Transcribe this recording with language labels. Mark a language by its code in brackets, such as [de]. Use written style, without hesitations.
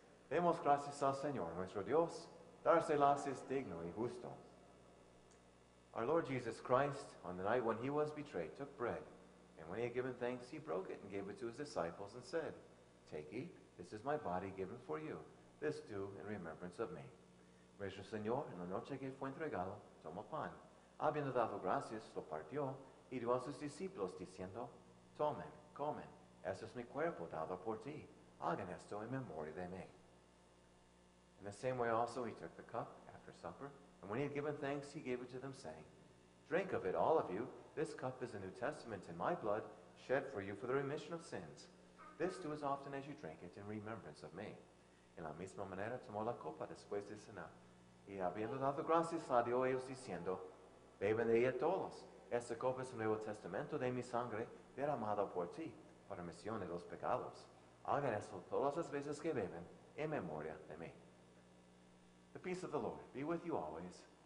[es] Demos gracias al Señor nuestro Dios. Dárselas es digno y justo. [en] Our Lord Jesus Christ, on the night when he was betrayed, took bread. And when he had given thanks, he broke it and gave it to his disciples and said, Take, eat, this is my body given for you. This do in remembrance of me. [es] Nuestro Señor, en la noche que fue entregado, tomó pan. Habiendo dado gracias, lo partió, y dio a sus discípulos, diciendo, Tomen, comen, esto es mi cuerpo dado por ti. Hagan esto en memoria de mí. [en] In the same way also he took the cup after supper, and when he had given thanks, he gave it to them, saying, Drink of it, all of you. This cup is a new testament in my blood, shed for you for the remission of sins. This do as often as you drink it in remembrance of me. [es] En la misma manera tomó la copa después de cenar, y habiendo dado gracias a Dios, ellos diciendo, Beben de ella todos. Esta copa es un nuevo testamento de mi sangre, derramada por ti, para remisión de los pecados. Hagan eso todas las veces que beben, en memoria de mí. [en] The peace of the Lord be with you always.